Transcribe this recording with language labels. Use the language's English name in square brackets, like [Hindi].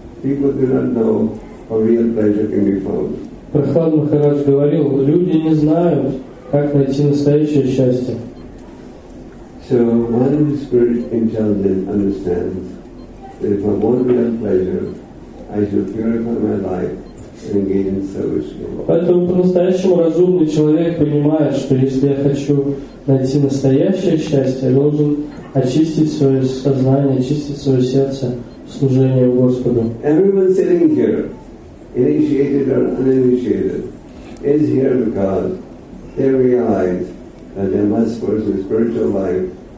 [English] People do not know how real pleasure can be found. [Russian] Прохлад Махарадж говорил, люди не знают, как найти настоящее счастье. [English] So one who is spiritually intelligent understands that if I want real pleasure, I should purify my life and engage in service to God. [Russian] Поэтому по-настоящему разумный человек понимает, что если я хочу найти настоящее счастье, я должен очистить свое сознание, очистить свое сердце служению Господу. [English] Everyone sitting here, initiated or uninitiated, is here because they realize that they must pursue spiritual life.